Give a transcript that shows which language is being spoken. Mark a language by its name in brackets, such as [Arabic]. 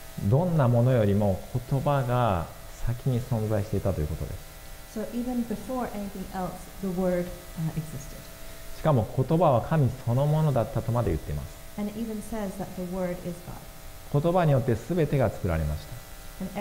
[Japanese] どんなものよりも言葉が先に存在していたということです。 [English] So even before anything else, the word existed. [Japanese] しかも言葉は神そのものだったとまで言っています。 [English] And it even says that the word is God. [Japanese] 言葉によって全てが作られました。